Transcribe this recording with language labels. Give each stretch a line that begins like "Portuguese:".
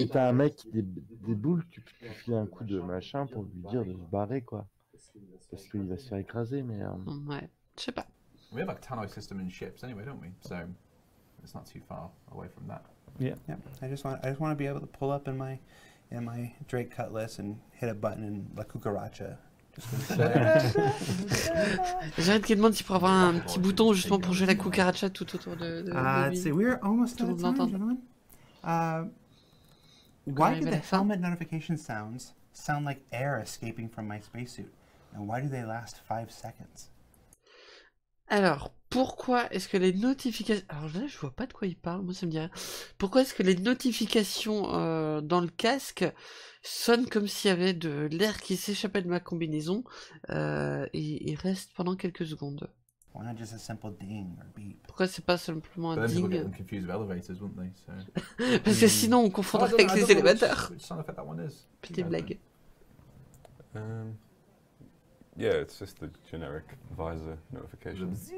French: Et t'as un mec qui déboule, tu files un coup de machin pour lui dire de se barrer, quoi. Parce qu'il va se faire écraser, mais... Ouais, je sais pas.
English: We have like a tannoy system in ships anyway, don't we? So it's not too far away from that. Yeah, yeah. I just want to be able to pull up in my Drake Cutlass and hit a button in La Cucaracha.
French: J'arrête qu'il demande s'il pourra avoir un petit bouton justement pour jouer la cucaracha tout autour de.
English: Let's see, we're almost out of time, gentlemen. Why do the helmet notification sounds sound like air escaping from my spacesuit, and why do they last 5 seconds?
French: Alors, pourquoi est-ce que les notifications... Alors là, je vois pas de quoi il parle, moi ça me dit rien. Pourquoi est-ce que les notifications dans le casque sonnent comme s'il y avait de l'air qui s'échappait de ma combinaison et restent pendant quelques secondes?
English: Why not just a simple ding or beep?
French: Pourquoi c'est pas simplement un ding?
English: People get them confused with elevators, wouldn't they? So...
French: Parce que sinon, on confondrait avec les élévateurs.
English: Which sound effect that one is.
French: Petite blague.
English: Yeah, it's just the generic visor notification.